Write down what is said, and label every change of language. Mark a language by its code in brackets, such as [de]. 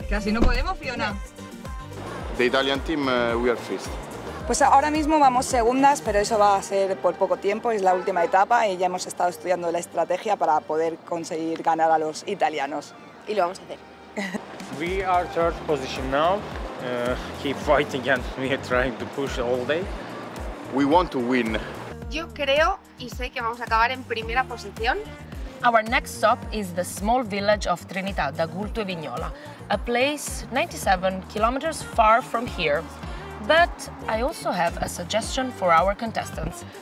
[es] Casi no podemos, Fiona. [en] The Italian team, we are first. [es] Pues ahora mismo vamos segundas, pero eso va a ser por poco tiempo, es la última etapa y ya hemos estado estudiando la estrategia para poder conseguir ganar a los italianos. Y lo vamos a hacer. [en] We are third position now. Keep fighting and we are trying to push all day. We want to win. [es] Yo creo y sé que vamos a acabar en primera posición. [en] Our next stop is the small village of Trinità da Gulto e Vignola, a place 97 kilometers far from here. But I also have a suggestion for our contestants.